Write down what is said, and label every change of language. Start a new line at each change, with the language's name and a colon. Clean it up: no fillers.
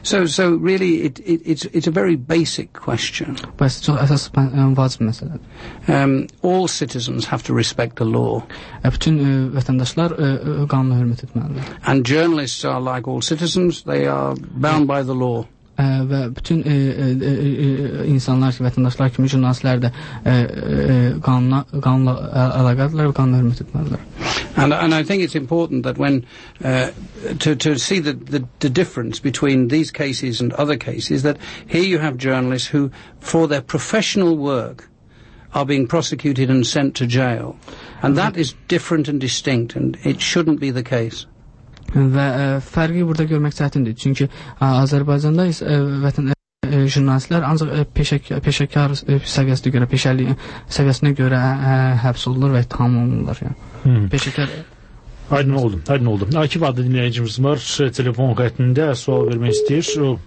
English: So really it's a very basic question.
Azerbaijani: Bəs çox əsas vacib məsələdir.
English: All citizens have to respect the law.
Azerbaijani: Bütün vətəndaşlar qanuna hörmət etməlidir.
English: And journalists are like all citizens, they are bound by the law.
Azerbaijani: Və bütün insanlar ki, vətəndaşlar kimi jurnalistlər də qanunla əlaqədirlər və qanuna hörmət etməlidirlər.
English: And I think it's important that when to see the difference between these cases and other cases that here you have journalists who for their professional work are being prosecuted and sent to jail. And that is different and distinct and it shouldn't be the case.
Azerbaijani: Və fərqi burada görmək çətindir. Çünki Azərbaycanda vətəndaş jurnalistlər ancaq peşəkar səviyyəsinə görə, peşəli səviyyəsinə görə həbs olunur və ittiham olunurlar. Yəni. Peşəkar... Aydın oldu, aydın oldu. Akif adlı dinləyicimiz var, telefon xəttində sual vermək istəyir.